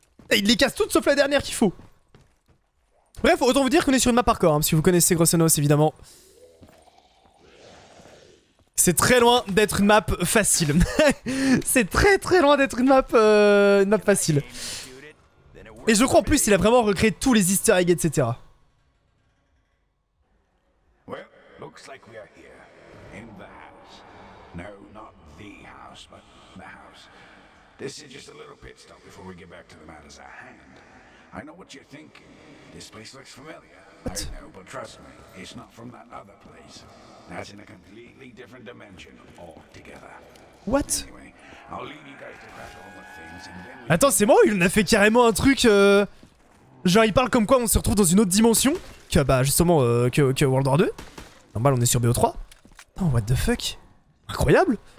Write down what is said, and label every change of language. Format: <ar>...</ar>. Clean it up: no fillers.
<fr>Et il les casse toutes, sauf la dernière qu'il faut. Bref, autant vous dire qu'on est sur une map hardcore, hein, si vous connaissez Gross Tonos, évidemment. C'est très loin d'être une map facile. C'est très, très loin d'être une map facile. Et je crois en plus qu'il a vraiment recréé tous les easter eggs, etc.</fr> <en>Well, looks like we are here, in the house. No, not the house, but the house. This is just a little pit stop before we get back to the matters at hand. I know what you're thinking. This place looks familiar. What? I know, but trust me, it's not from that other place. That's in a completely different dimension altogether. What? Anyway, I'll leave you guys to crack all the things and then we...</en> <fr>Attends, c'est moi ou il en a fait carrément un truc genre il parle comme quoi on se retrouve dans une autre dimension que bah justement que World War 2. Normal, on est sur BO3. Non,</fr> <en>what the fuck?</en> <fr>Incroyable.</fr>